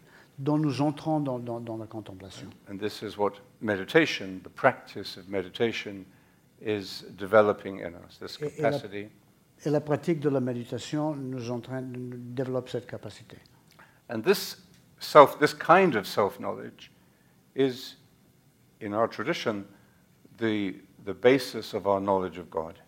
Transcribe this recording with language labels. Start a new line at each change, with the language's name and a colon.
French: C'est ce dont nous entrons dans la contemplation.
English: And this is what meditation, the practice of meditation, is developing in us, this capacity.
French: Et la pratique de la méditation nous développe cette capacité.
English: And this kind of self-knowledge is, in our tradition, the basis of our knowledge of God.